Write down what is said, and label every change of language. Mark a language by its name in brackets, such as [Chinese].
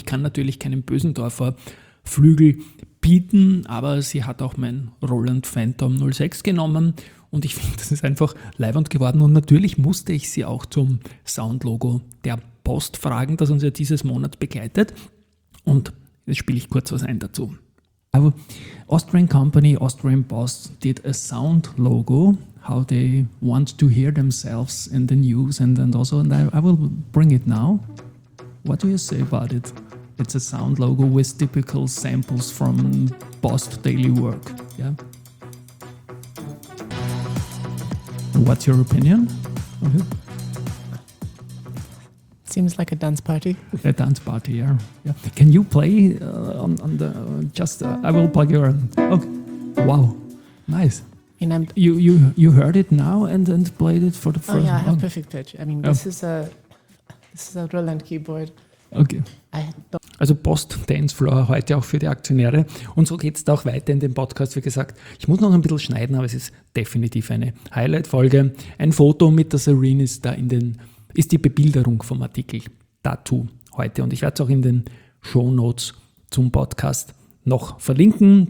[German] Ich kann natürlich keinen Bösendorfer Flügel bieten, aber sie hat auch mein Roland Phantom 06 genommen und ich finde, das ist einfach leibend geworden und natürlich musste ich sie auch zum Soundlogo der Post fragen, das uns ja dieses Monat begleitet und jetzt spiele ich kurz was ein dazu. [English] Aber Austrian Company, Austrian Post did a sound logo, how they want to hear themselves in the news and also, and I will bring it now. What do you say about it? It's a sound logo with typical samples from Post Daily Work. Yeah. What's your opinion? Mm-hmm. Seems like a dance party. A dance party, yeah. Yeah. Can you play on the... I will plug your... Okay. Wow. Nice. And I'm you heard it now and played it for the first time. Oh yeah, I have perfect pitch. I mean, this is a Roland keyboard. Okay. [German] Also Post-Dance-Floor heute auch für die Aktionäre. Und so geht es da auch weiter in dem Podcast. Wie gesagt, ich muss noch ein bisschen schneiden, aber es ist definitiv eine Highlight-Folge. Ein Foto mit der Serene ist da ist die Bebilderung vom Artikel dazu heute. Und ich werde es auch in den Shownotes zum Podcast noch verlinken.